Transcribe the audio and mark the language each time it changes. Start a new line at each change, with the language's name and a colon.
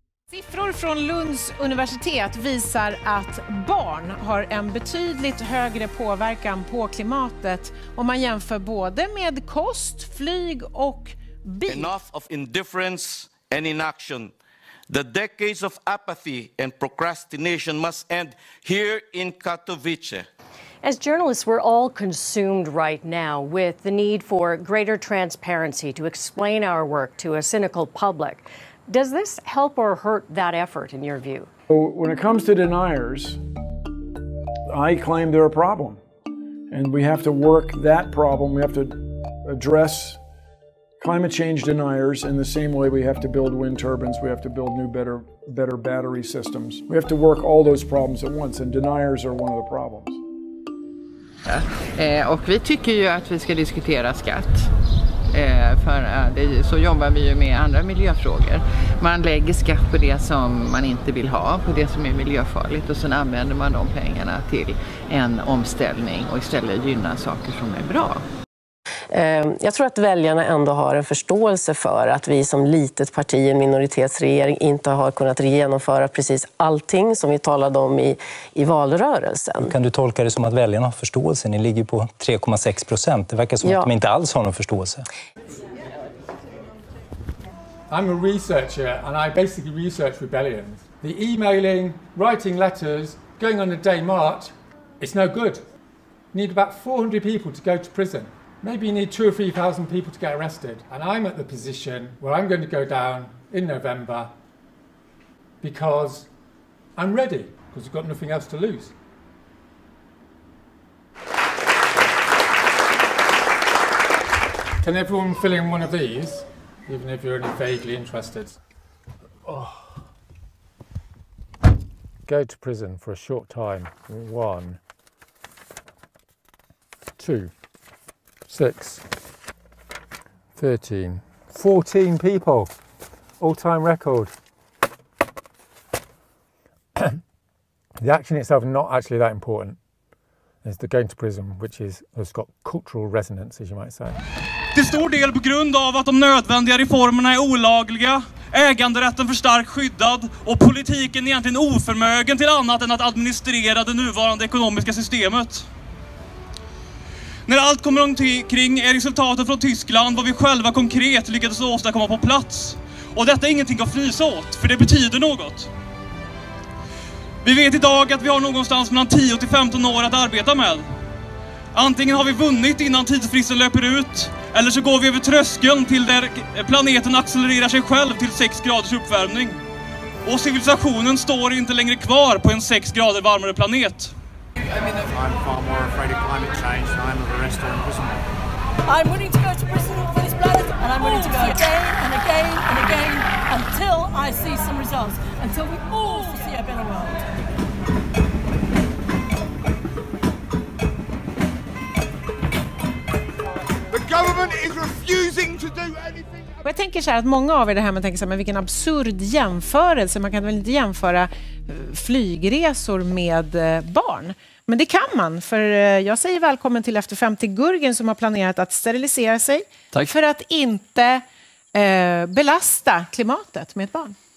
Swedish: Siffror från Lunds universitet visar att barn har en betydligt högre påverkan på klimatet om man jämför både med kost, flyg och bil.
English: Enough of indifference and inaction. The decades of apathy and procrastination must end here in Katowice. As journalists, we're all consumed right now with the need for greater transparency to explain our work to a cynical public. Does this help or hurt that effort, in your view? When it comes to deniers, I claim they're a problem. And we have to work that problem. We have to address climate change deniers in the same way we have to build wind turbines, we have to build new, better battery systems. We have to work all those problems at once, and deniers are one of the problems.
Swedish: Och vi tycker ju att vi ska diskutera skatt. För så jobbar vi ju med andra miljöfrågor. Man lägger skatt på det som man inte vill ha, på det som är miljöfarligt, och sen använder man de pengarna till en omställning och istället gynna saker som är bra. Jag tror att väljarna ändå har en förståelse för att vi som litet parti i minoritetsregering inte har kunnat genomföra precis allting som vi talade om i valrörelsen. Kan du tolka det som att väljarna har förståelse? Ni ligger på 3,6%. Det verkar som att de inte alls har någon förståelse.
English: I'm a researcher and I basically research rebellions. The emailing, writing letters, going on a day march, it's no good. You need about 400 people to go to prison. Maybe you need 2,000 or 3,000 people to get arrested. And I'm at the position where I'm going to go down in November because I'm ready, because we've got nothing else to lose. Can everyone fill in one of these, even if you're only vaguely interested? Oh. Go to prison for a short time. One. Two. 6, 13, 14 people, all-time record. The action itself not actually that important. It's the going to prison, which is, has got cultural resonance, as you might say.
Swedish: Till stor del på grund av att de nödvändiga reformerna är olagliga, äganderätten för starkt skyddad och politiken egentligen oförmögen till annat än att administrera det nuvarande ekonomiska systemet. När allt kommer omkring är resultatet från Tyskland vad vi själva konkret lyckades åstadkomma på plats. Och detta är ingenting att fnysa åt, för det betyder något. Vi vet idag att vi har någonstans mellan 10-15 år att arbeta med. Antingen har vi vunnit innan tidsfristen löper ut, eller så går vi över tröskeln till där planeten accelererar sig själv till 6 graders uppvärmning. Och civilisationen står inte längre kvar på en 6 grader varmare planet.
English: I'm far more afraid of climate change than I am of arrest or imprisonment. I'm willing to go to prison for this planet, and I'm willing to go again and again and again until I see some results, until we all see a better world. The government is refusing to do anything.
Swedish: Och jag tänker så här att många av er det här, man tänker så här, men vilken absurd jämförelse. Man kan väl inte jämföra flygresor med barn. Men det kan man, för jag säger välkommen till Efter 50 Gurgen som har planerat att sterilisera sig. Tack. För att inte belasta klimatet med ett barn.